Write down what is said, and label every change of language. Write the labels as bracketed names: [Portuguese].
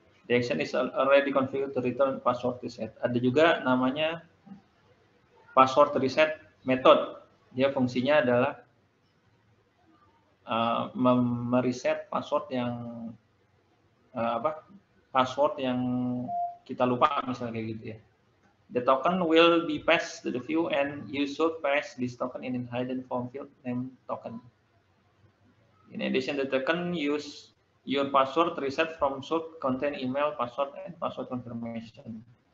[English] The action is already configured to return password reset. [Indonesian] Ada juga namanya password reset method. Dia fungsinya adalah mereset password yang password yang kita lupa misalnya kayak gitu ya. [English] The token will be passed to the view and you should pass this token in a hidden form field named token. In addition, the token use your password reset from should contain email, password, and password confirmation.